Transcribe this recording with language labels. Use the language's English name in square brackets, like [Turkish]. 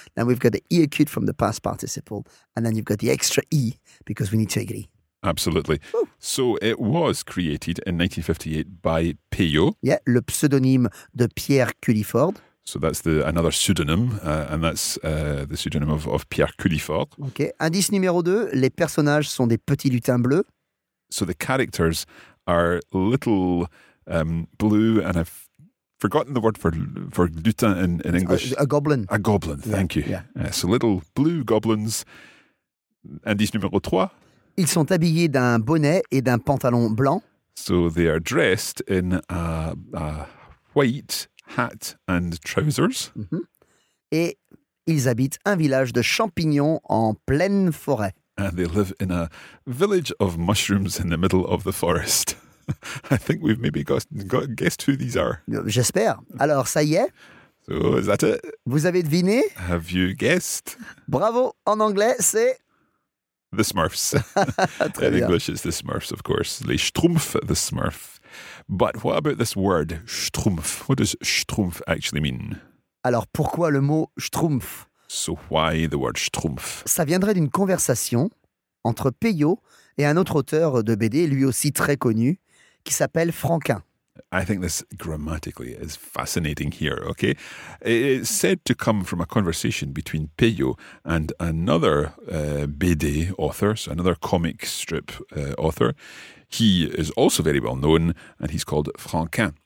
[English] Then we've got the E acute from the past participle. And then you've got the extra E because we need to agree. Absolutely. Ooh. So it was created in 1958 by Peyot. [French] Yeah, le pseudonyme de Pierre Culliford. [English] So that's another pseudonym, and that's the pseudonym of Pierre Culliford. Okay. [French] Indice numéro 2, les personnages sont des petits lutins bleus. [English] So the characters are little blue, and I've forgotten the word for lutin in English. A goblin. A goblin, thank you. Yeah. So little blue goblins. [French] Indice numéro 3. Ils sont habillés d'un bonnet et d'un pantalon blanc. [English] So they are dressed in a white hat and trousers. Mm-hmm. [French] Et ils habitent un village de champignons en pleine forêt. [English] And they live in a village of mushrooms in the middle of the forest. I think we've maybe guessed who these are. [French] J'espère. Alors, ça y est. [English] So, is that it? [French] Vous avez deviné? [English] Have you guessed? [French] Bravo. En anglais, c'est... [English] The Smurfs. In [French] bien. [English] English, it's the Smurfs, of course. Les Schtroumpfs, the Smurfs. But what about this word, Schtroumpf? What does Schtroumpf actually mean? [French] Alors, pourquoi le mot Schtroumpf? [English] So why the word Schtroumpf? [French] Ça viendrait d'une conversation entre Peyot et un autre auteur de BD, lui aussi très connu, qui s'appelle Franquin. [English] I think this grammatically is fascinating here, okay? It's said to come from a conversation between Peyot and another BD author, so another comic strip author. He is also very well known, and he's called Franquin.